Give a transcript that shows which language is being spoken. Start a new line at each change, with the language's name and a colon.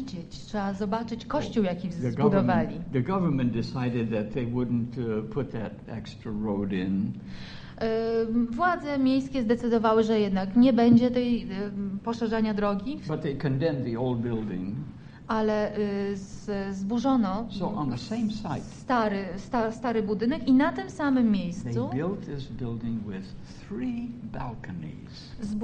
Polish: Trzeba zobaczyć kościół, jaki zbudowali.
English: The government decided that they wouldn't put that extra road in.
Polish: Władze miejskie zdecydowały, że jednak nie będzie tej poszerzania drogi.
English: But they condemned the old building.
Polish: Ale zburzono
English: so on the same site,
Polish: stary budynek i na tym samym miejscu
English: they built this building with three balconies.